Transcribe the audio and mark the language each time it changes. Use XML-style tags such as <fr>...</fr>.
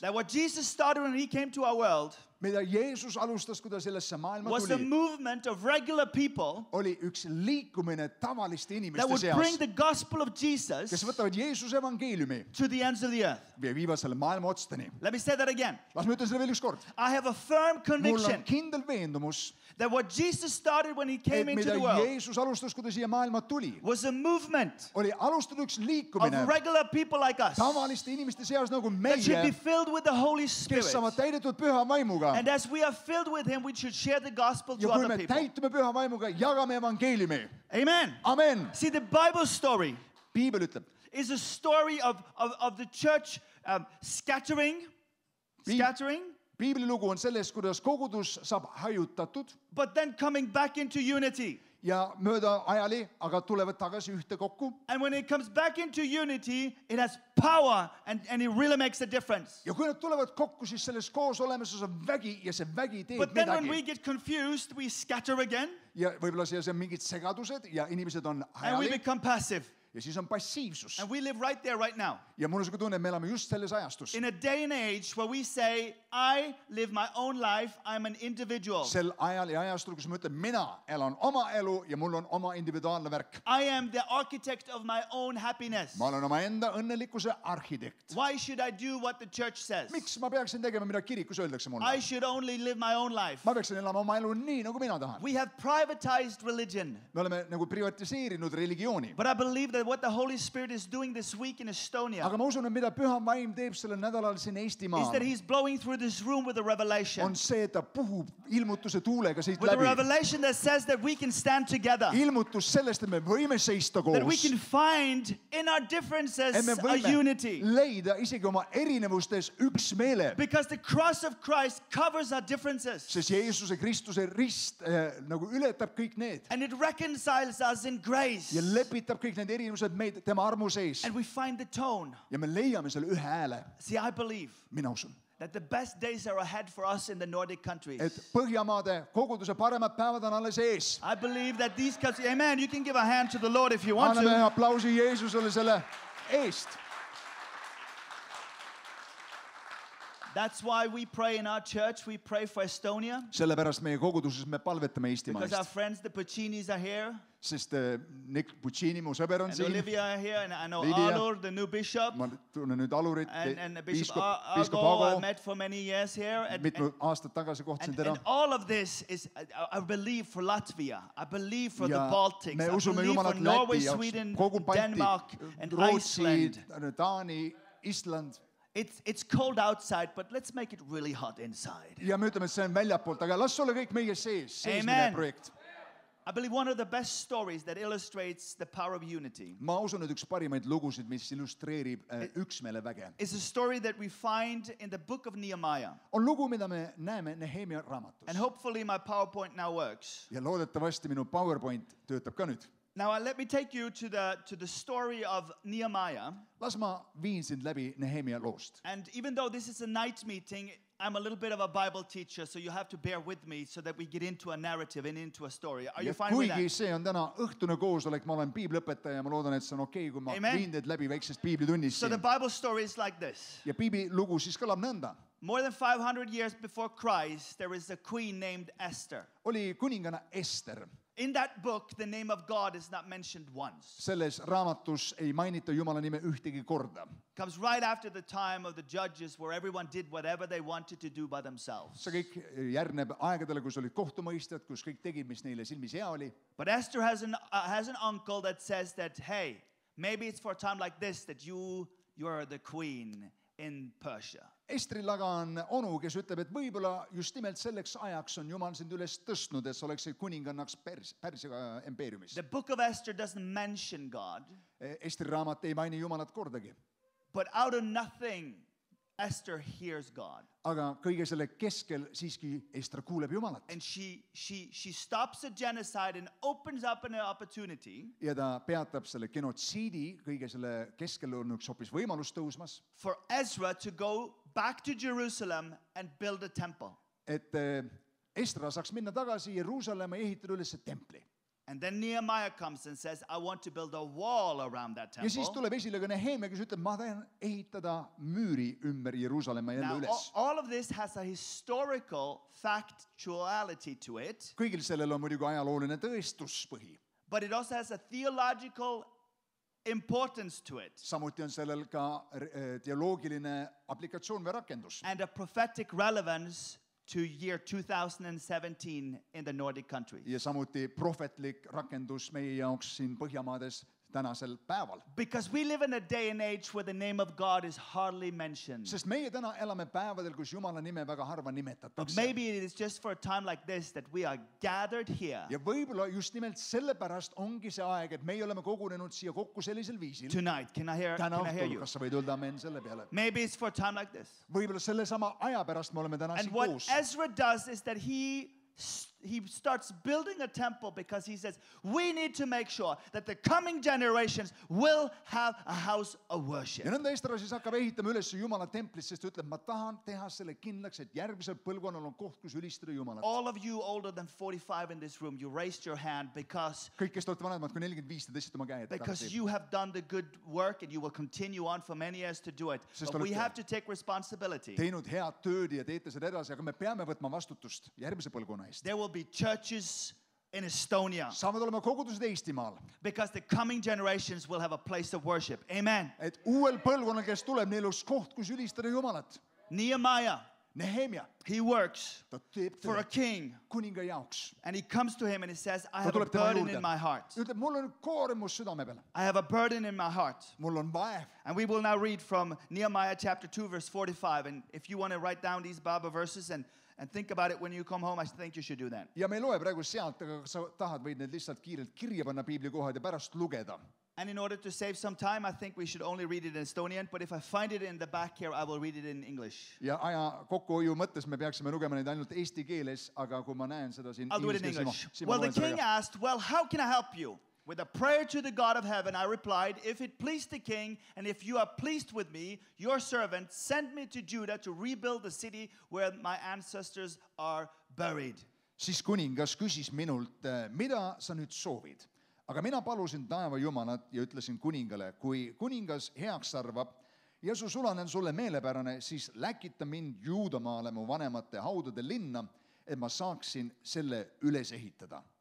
<en>That what Jesus started when he came to our world,</en> <et>mida Jeesus alustas, kui ta sellesse maailma tuli,</et> <en>was a movement of regular people,</en> <et>oli üks liikumine tavaliste inimeste seas,</et> <en>that would bring the gospel of Jesus,</en> <et>kes võtavad Jeesus evangeeliumi,</et> <en>to the ends of the earth.</en> <et>Ja viivad selle maailma otsteni.</et> <en>Let me say that again.</en> <et>Las ma ütlen selle veel üks kord.</et> <en>I have a firm conviction.</en> <et>Mul on kindel veendumus,</et> <en>that what Jesus started when he came into the world,</en> <et>mida Jeesus alustas, kui ta siia maailma tuli,</et> <en>was a movement,</en> <et>oli alustanud üks liikumine,</et> <en>of regular people like us,</en> <et>tavaliste inimeste seas nagu meie,</et> <en>that should be filled with the Holy Spirit,</en> <et>kes saavad täidetud püha vaimu.</et> <en>And as we are filled with him, we should share the gospel to other people.</en> <et>Ja kui me täitume püha vaimuga, jagame evangeeliumi.</et> <en>Amen.</en> <et>Amen.</et> <en>See, the Bible story,</en> <et>Biibel ütleb,</et> <en>is a story of the church scattering.</en> <et>Biibli lugu on selles, kuidas kogudus saab hajutatud.</et> <en>But then coming back into unity.</en> <et>Ja mööda ajali, aga tulevad tagasi ühte kokku.</et> <en>And when it comes back into unity, it has power and it really makes a difference.</en> <et>Ja kui nad tulevad kokku, siis selles koos olemises on vägi ja see vägi teeb midagi.</et> <en>But then</en> <et>midagi.</et> <en>When we get confused, we scatter again.</en> <et>Ja võibolla siia see on mingid segadused ja inimesed on hajali.</et> <en>And we become passive.</en> <et>Ja siis on passiivsus.</et> <en>And we live right there, right now.</en> <et>Ja mul on see tunne, et me elame just selles ajastus.</et> <en>In a day and age where we say, I live my own life, I'm an individual.</en> <et>Sel ajal ja ajastul, kus ma ütlen, mina elan oma elu ja mul on oma individuaalne värk.</et> <en>I am the architect of my own happiness.</en> <et>Ma olen oma enda õnnelikuse arhitekt.</et> <en>Why should I do what the church says?</en> <et>Miks ma peaksin tegema, mida kirikus öeldakse mulle?</et> <en>I should only live my own life.</en> <et>Ma peaksin elama oma elu nii, nagu mina tahan.</et> <en>We have privatized religion.</en> <et>Me oleme nagu privatiseerinud religiooni.</et> <en>But I believe that that what the Holy Spirit is doing this week in Estonia.</en> <et>Aga ma usun, et mida püha vaim teeb sellel nädalal siin Eestimaal.</et> <en>Is that he's blowing through this room with a revelation.</en> <et>On see, et ta puhub ilmutuse tuulega siit läbi.</et> <en>With a revelation that says that we can stand together.</en> <et>Ilmutus sellest, et me võime seista koos.</et> <en>That we can find in our differences</en> <et>et me võime</et> <en>a unity.</en> <et>Leida isegi oma erinevustes üks meele.</et> <en>Because the cross of Christ covers our differences.</en> <et>Sest Jeesuse Kristuse rist nagu ületab kõik need.</et> <en>And it reconciles us in grace.</en> <et>Ja lepitab kõik need erinevused meid tema armu sees.</et> <en>And we find the tone.</en> <et>Ja me leiame selle ühe hääle.</et> <en>See, I believe.</en> <et>Mina usun.</et> <en>That the best days are ahead for us in the Nordic countries.</en> <et>Et Põhjamaade koguduse paremad päevad on alles ees.</et> <en>I believe that these countries, amen, you can give a hand to the Lord if you want</en> <et>Anname</et> <en>to.</en> <et>Anname aplausi Jeesusele selle eest.</et> <en>That's why we pray in our church, we pray for Estonia.</en> <et>Sellepärast meie koguduses me palvetame Eestimaast.</et> <en>Because our friends, the Puccinis, are here.</en> <et>Sest Nick Puccini, mu sõber, on</et> <en>and</en> <et>siin.</et> <en>And Olivia are here, and I know Lidia. Alur, the new bishop.</en> <et>Ma tunnen nüüd Alurit,</et> <en>Bishop Ago, I met for many years here.</en> <et>Mitme aastat tagasi kohtsin teda.</et> <en>And all of this is, I believe, for Latvia. I believe for</en> <et>ja</et> <en>the Baltics.</en> <et>Me</et> <en>I believe for</en> <et>Lätti,</et> <en>Norway, Sweden, Baltic, Denmark, and</en> <et>Rootsi,</et> <en>Iceland.</en> <et>Taani, Island.</et> <en>It's cold outside, but let's make it really hot inside.</en> <et>Ja me ütleme, et see on väljapoolt, aga las ole kõik meie sees, meie projekt.</et> <en>I believe one of the best stories that illustrates the power of unity.</en> <et>Ma usun, et üks parimaid lugusid, mis illustreerib üksmeele väge.</et> <en>It's a story that we find in the book of Nehemiah.</en> <et>On lugu, mida me näeme Nehemia raamatus.</et> <en>And hopefully my PowerPoint now works.</en> <et>Ja loodetavasti minu PowerPoint töötab ka nüüd.</et> <en>Now let me take you to the story of Nehemiah.</en> <et>Las ma viin sind läbi Nehemia loost.</et> <en>And even though this is a night meeting, I'm a little bit of a Bible teacher, so you have to bear with me so that we get into a narrative and into a story. Are you fine with that?</en> <et>Kuigi see on täna õhtune koosolek, ma olen piibli õpetaja ja ma loodan, et see on okei, kui ma viin teid läbi väiksest piibli tunnis.</et> <en>So the Bible story is like this.</en> <et>Ja piibli lugu siis kõlab nõnda.</et> <en>More than 500 years before Christ, there is a queen named Esther.</en> <et>Oli kuningana Esther.</et> <en>In that book, the name of God is not mentioned once.</en> <et>Selles raamatus ei mainita Jumala nime ühtegi korda.</et> <en>Comes right after the time of the judges where everyone did whatever they wanted to do by themselves.</en> <et>See kõik järgneb aegadele, kus olid kohtumõistjad, kus kõik tegid, mis neile silmis hea oli.</et> <en>But Esther has an uncle that says that, hey, maybe it's for a time like this that you're the queen in Persia.</en> <et>Estril aga on onu, kes ütleb, et võibolla just nimelt selleks ajaks on Jumal sind üles tõstnud, et oleks see kuningannaks Pärsia empeeriumis.</et> <en>The book of Esther doesn't mention God.</en> <et>Estri raamat ei maini Jumalat kordagi.</et> <en>But out of nothing, Esther hears God.</en> <et>Aga kõige selle keskel siiski Ester kuuleb Jumalat.</et> <en>And she stops a genocide and opens up an opportunity.</en> <et>Ja ta peatab selle genotsiidi, kõige selle keskel on üks hoopis võimalus tõusmas.</et> <en>For Ezra to go back to Jerusalem and build a temple.</en> <et>Et Estra saaks minna tagasi Jerusalema ja ehitada ülesse templi.</et> <en>And then Nehemiah comes and says, I want to build a wall around that temple.</en> <et>Ja siis tuleb esile ka Nehemia, kes ütleb, ma tahan ehitada müüri ümber Jerusalema jälle</et> <en>now,</en> <et>üles.</et> <en>All of this has a historical factuality to it.</en> <et>Kõigil sellel on muidugi ajalooline tõestuspõhi.</et> <en>But it also has a theological importance to it.</en> <et>Samuti on sellel ka teoloogiline applikatsioon või rakendus.</et> <en>And a prophetic relevance to year 2017 in the Nordic countries.</en> <et>Ja samuti prophetlik rakendus meie jaoks siin Põhjamaades tänasel päeval.</et> <en>Because we live in a day and age where the name of God is hardly mentioned.</en> <et>Sest meie täna elame päevadel, kus Jumala nime väga harva nimetatakse.</et> <en>But maybe it is just for a time like this that we are gathered here.</en> <et>Ja võibolla just nimelt sellepärast ongi see aeg, et meie oleme kogunenud siia kokku sellisel viisil.</et> <en>Tonight, can I hear you?</en> <et>Kas sa võid öelda amen selle peale?</et> <en>Maybe it's for a time like this.</en> <et>Võibolla selle sama aja pärast me oleme täna siin koos.</et> <en>And what Ezra does is that he starts building a temple because he says, we need to make sure that the coming generations will have a house of worship.</en> <et>Ja nõnda Estra siis hakkab ehitama üles Jumala templis, sest ütleb, ma tahan teha selle kindlaks, et järgmisel põlvkonnal on koht, kus ülistada Jumalat.</et> <en>All of you older than 45 in this room, you raised your hand because</en> <et>kõik, kes olete vanemad, kui 45, te tõstsite oma käed.</et> <en>Because you have done the good work and you will continue on for many years to do it.</en> <et>Sest</et> <en>but we have to take responsibility.</en> <et>Teinud head tööd ja teete seda edasi, aga me peame võtma vastutust järgmise põlvkonna eest.</et> <en>Be churches in Estonia.</en> <et>Saavad olema kogudused Eestimaal.</et> <en>Because the coming generations will have a place of worship. Amen.</en> <et>Et uuel põlvkonnal, kes tuleb, neil oleks koht, kus ülistada Jumalat.</et> <en>Nehemiah.</en> <et>Nehemia.</et> <en>He works for a king.</en> <et>Kuninga jaoks.</et> <en>And he comes to him and he says, I have a burden in my heart.</en> <et>Mul on koormus südame peal.</et> <en>I have a burden in my heart.</en> <et>Mul on vaev.</et> <en>And we will now read from Nehemiah chapter 2, verse 45. And if you want to write down these Bible verses and think about it when you come home, I think you should do that.</en> <et>Ja me ei loe praegu sealt, aga sa tahad, võid need lihtsalt kiirelt kirja panna piibli kohad ja pärast lugeda.</et> <en>And in order to save some time, I think we should only read it in Estonian, but if I find it in the back here, I will read it in English.</en> <et>Ja aja kokkuhoiu mõttes me peaksime lugema neid ainult eesti keeles, aga kui ma näen seda siin</et> <en>I'll do it in English. Well, the king asked, well, how can I help you? With a prayer to the God of heaven, I replied, if it pleased the king, and if you are pleased with me, your servant, send me to Judah to rebuild the city where my ancestors are buried.</en> <et>Siis kuningas küsis minult, mida sa nüüd soovid? Aga mina palusin taeva jumalat ja ütlesin kuningale, kui kuningas heaks arvab, ja su sulanen sulle meelepärane, siis läkita mind Juudamaale mu vanemate haudade linna, et ma saaksin selle üles ehitada.</et>